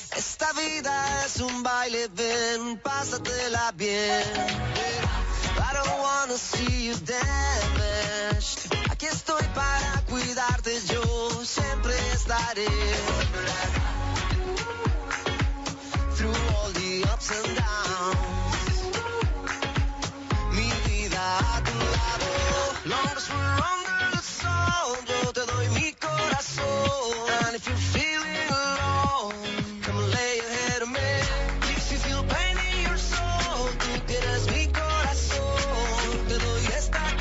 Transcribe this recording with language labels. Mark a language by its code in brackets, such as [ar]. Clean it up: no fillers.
[es] Esta vida es un baile, ven, pásatela bien. [en] I don't wanna see you damaged. [es] Aquí estoy para cuidarte, yo siempre estaré. [en] Through all the ups and downs. [es] Mi vida a tu lado. [en] Long as we're on the sun, [es] yo te doy mi corazón. [en] If you're feeling alone, come lay your head on me. If you feel pain in your soul, [es] tú tienes mi corazón. Te doy esta.